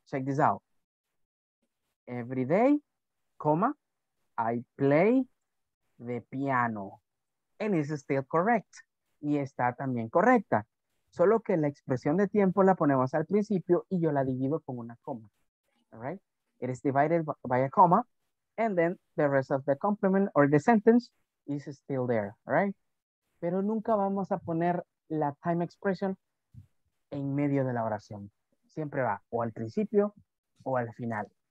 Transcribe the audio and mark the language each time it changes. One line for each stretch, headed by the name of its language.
English: Check this out: every day, comma, I play the piano, and it's still correct,
Spanish: y está también correcta. Solo que la expresión de tiempo la ponemos al principio y yo la divido con una coma.
English: All right? It is divided by a comma. And then the rest of the complement or the sentence is still there. All right?
Spanish: Pero nunca vamos a poner la time expression en medio de la oración. Siempre va o al principio o al final.